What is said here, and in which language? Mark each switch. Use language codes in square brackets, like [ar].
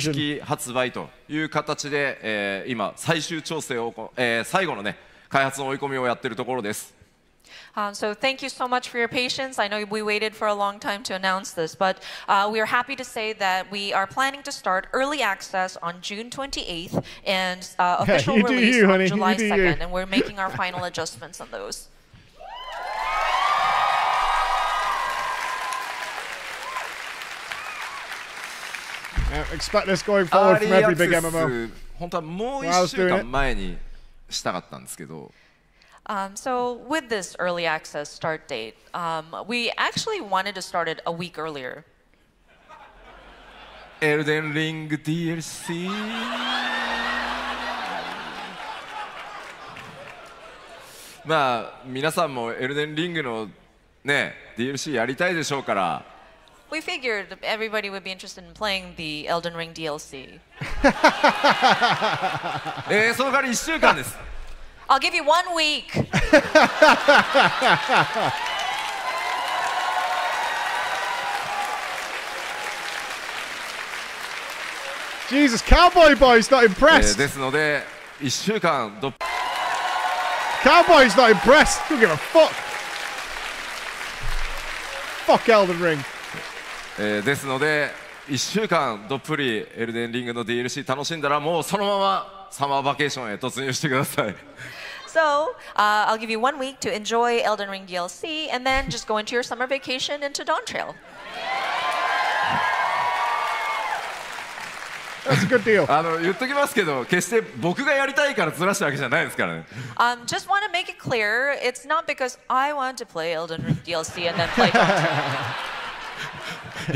[ja] 正式発売という形で、今最終調整を、最後のね。開発の追い込みをやっているところです。 [en] So thank you so much for your patience. I know we waited for a long time to announce this, but we are happy to say that we are planning to start early access on June 28th and official yeah, release you, honey, on July 2nd, and we're making our final adjustments on those. expect this going forward from every big MMO. So with this early access start date, we actually wanted to start it a week earlier. Elden Ring DLC. [ja] まあ皆さんもエルデンリングのねDLCやりたいでしょうから。 [en] We figured everybody would be interested in playing the Elden Ring DLC. [ja] その代わり1週間です。 [en] I'll give you 1 week. Jesus, Cowboy Boy's not impressed. Don't give a fuck. Fuck Elden Ring. [ja] ですので、1週間どっぷり Elden Ring の DLC 楽しんだら、もうそのままサマーバケーションへ突入してください。 [en] So, I'll give you 1 week to enjoy Elden Ring DLC and then just go into your summer vacation into Dawntrail. That's a good deal. [ja] 言っときますけど、決して僕がやりたいからずらしたわけじゃないですからね。 [en] Just want to make it clear, it's not because I want to play Elden Ring DLC and then play Dawntrail.